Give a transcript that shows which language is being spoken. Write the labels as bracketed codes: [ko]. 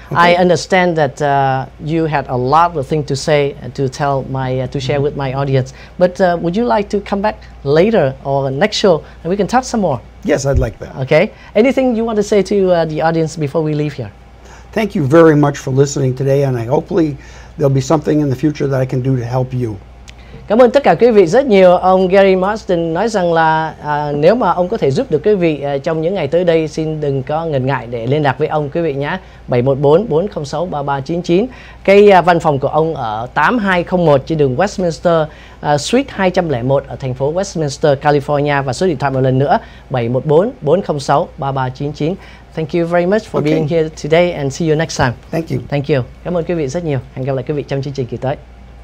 [en] Okay. I understand that you had a lot of things to say and to tell my to share mm-hmm. with my audience. But would you like to come back later or next show and we can talk some more? Yes, I'd like that. Okay. Anything you want to say to the audience before we leave here? Thank you very much for listening today, and hopefully there'll be something in the future that I can do to help you. [vi] Cảm ơn tất cả quý vị rất nhiều. Ông Gary Mastin nói rằng là nếu mà ông có thể giúp được quý vị trong những ngày tới đây, xin đừng có ngần ngại để liên lạc với ông quý vị nhé. 714-406-3399. Cái văn phòng của ông ở 8201 trên đường Westminster, Suite 201 ở thành phố Westminster, California. Và số điện thoại một lần nữa, 714-406-3399. [en] Thank you very much for being here today, and see you next time. Thank you. Thank you. [vi] Cảm ơn quý vị rất nhiều. Hẹn gặp lại quý vị trong chương trình kỳ tới.